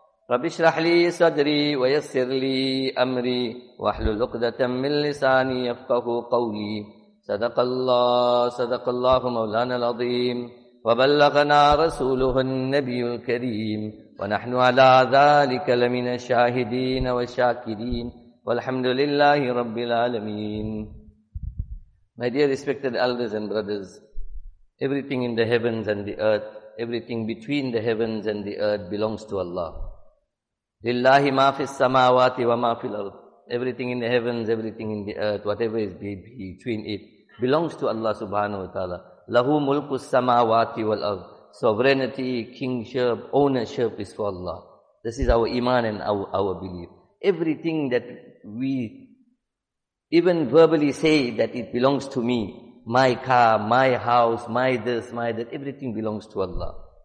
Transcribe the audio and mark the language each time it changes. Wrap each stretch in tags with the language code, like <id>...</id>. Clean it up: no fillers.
<ar>رب اشرح لي صدري ويسر لي أمري واحلل عقدة من لساني يفقه قولي صدق الله صدق الله مولانا العظيم وبلغنا رسوله النبي الكريم ونحن على ذلك لمن الشاهدين والشاكرين والحمد لله رب العالمين.</ar> <en>My dear respected elders and brothers, everything in the heavens and the earth, everything between the heavens and the earth belongs to Allah.</en> <ar>لله ما في السماوات وما في الأرض.</ar> <en>Everything in the heavens, everything in the earth, whatever is between it, belongs to Allah subhanahu wa ta'ala.</en> <ar>له ملك السماوات والأرض.</ar> <en>Sovereignty, kingship, ownership is for Allah. This is our iman and our belief. Everything that we even verbally say that it belongs to me, my car, my house, my this, my that, everything belongs to Allah.</en>